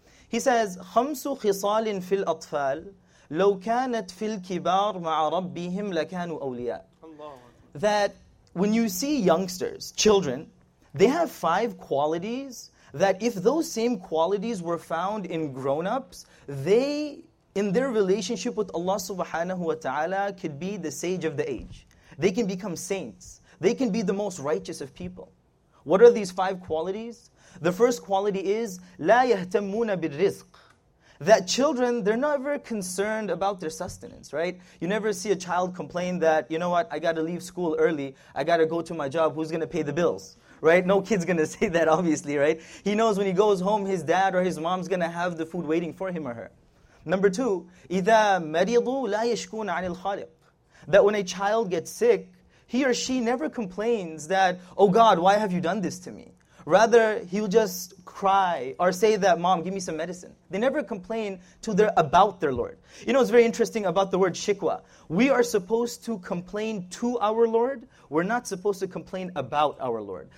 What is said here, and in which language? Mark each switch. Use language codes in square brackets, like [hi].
[en] He says, [ar] خَمْسُ خِصَالٍ فِي الْأَطْفَالِ لَوْ كَانَتْ فِي الْكِبَارِ مَعَ رَبِّهِمْ لَكَانُوا أَوْلِيَاءَ. [en] That when you see youngsters, children, they have five qualities that if those same qualities were found in grown-ups, they, in their relationship with Allah subhanahu wa ta'ala, could be the sage of the age. They can become saints. They can be the most righteous of people. What are these five qualities? The first quality is, [ar] لَا يَهْتَمُّونَ بِالرِّزْقِ. [en] That children, they're never concerned about their sustenance, right? You never see a child complain that, you know what, I got to leave school early, I got to go to my job, who's going to pay the bills, right? No kid's going to say that, obviously, right? He knows when he goes home, his dad or his mom's going to have the food waiting for him or her. Number two, [ar] إِذَا مَرِضُوا لَا يَشْكُونَ عَنِ الْخَالِقِ. [en] That when a child gets sick, he or she never complains that, oh God, why have you done this to me? Rather, he'll just cry or say that, Mom, give me some medicine. They never complain to their about their Lord. You know, it's very interesting about the word shikwa. We are supposed to complain to our Lord. We're not supposed to complain about our Lord.